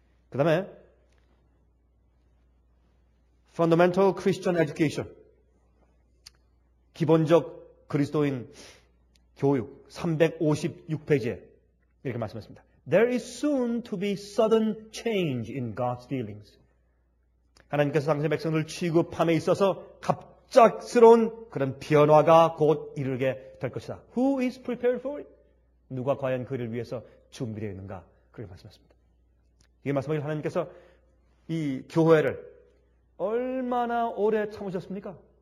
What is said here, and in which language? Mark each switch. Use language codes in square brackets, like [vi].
[ko] 그 다음에 [en] Fundamental Christian Education. [ko] 기본적 그리스도인 교육 356페이지에 이렇게 말씀했습니다. [en] There is soon to be sudden change in God's dealings. [ko] 하나님께서 당신의 백성을 취급함에 있어서 갑작스러운 그런 변화가 곧 이르게 될 것이다. [en] Who is prepared for it? [ko] 누가 과연 그를 위해서 준비되어 있는가? 그렇게 말씀했습니다. 이 말씀을 하나님께서 이 교회를 얼마나 오래 참으셨습니까?